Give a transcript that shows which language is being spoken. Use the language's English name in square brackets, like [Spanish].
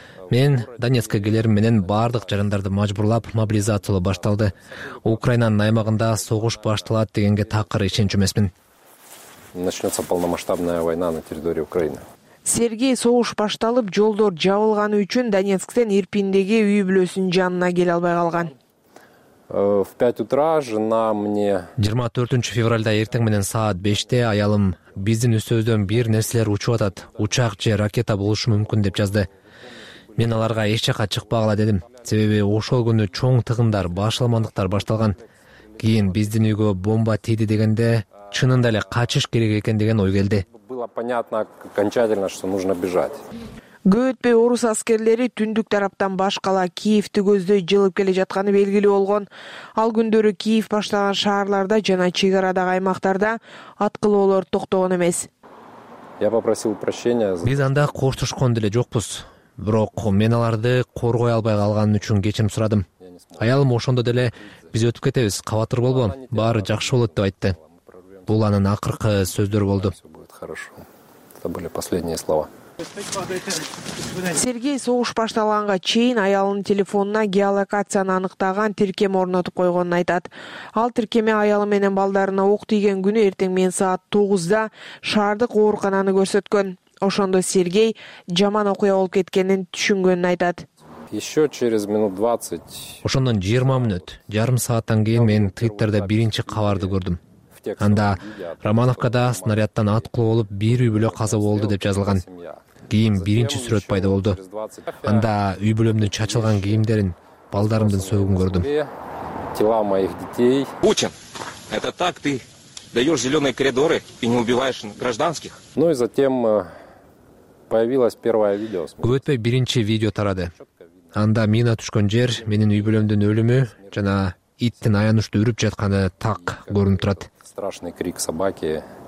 [Kyrgyz] Мен Донецкке келерим менен баардык жарандарды мажбурлап мобилизациялоо башталды. Украинанын аймагында согуш башталат дегенге такыр ишенчү эмесмин. [Russian] Начнется полномасштабная война на территории Украины. [Kyrgyz] Сергей согуш башталып, жолдор жабылганы үчүн Донецктен Ирпиндеги үй бүлөсүнүн жанына келе албай калган. [Russian] В 5 утра жена мне [Kyrgyz] 24 февралда эртең менен саат 5:00 аялым биздин үстөбүздөн бир нерселер учуп атат, учак же ракета болушу мүмкүн деп жазды. Мен аларга эч жака чыкпагыла дедим, себеби ошол күнү чоң тыгындар, башалмандыктар башталган. Кийин биздин үйгө бомба тийди дегенде чынында эле качыш керек экен деген ой келди. [Russian] Было понятно окончательно, что нужно бежать. [Kyrgyz] Көп өтпөй орус аскерлери түндүк тараптан баш кала Киевди көздөй жылып келе жатканы белгилүү болгон. Ал күндөрү Киев башталган шаарларда жана чек арадагы аймактарда аткылоолор токтогон эмес. [Russian] Я попросил прощения. [Kyrgyz] Биз анда коштошкон деле жокпуз. Бирок мен аларды коргой албай калган үчүн кечирим сурадым. Аялым ошондо деле биз өтүп кетебиз, кабатыр болбо, баары жакшы болот деп айтты. Бул анын акыркы сөздөрү болду. [Russian] Это были последние слова. [Kyrgyz] Сергей согуш башталганга чейин аялынын телефонуна геолокацияны аныктаган тиркеме орнотуп койгонун айтат. Ал тиркеме аялы менен балдарына ок тийген күнү эртең менен саат 9:00 шаардык оорукананы көрсөткөн. Ошондо Сергей жаман окуя болуп кеткенин түшүнгөнүн айтат. [Russian] Еще через минут 20. [Kyrgyz] Ошондон 20 мүнөт, жарым сааттан кийин мен Twitter'да биринчи кабарды көрдүм. Анда Романовкада снарядтан аткылуу болуп бир үй бүлө каза болду деп жазылган. Кийин биринчи сүрөт пайда болду. Анда үй бүлөмдүн чачылган кийимдерин, балдарымдын сөөгүн көрдүм. [Russian] Тела моих детей. Путин, это так ты даешь зеленые коридоры и не убиваешь гражданских? Ну и затем появилось первое видео. [Kyrgyz] Көп өтпөй биринчи видео тарады. Анда мина түшкөн жер, менин үй бүлөмдүн өлүмү жана иттин аянычтуу үрүп жатканы так көрүнүп турат. [Russian] Страшный крик собаки.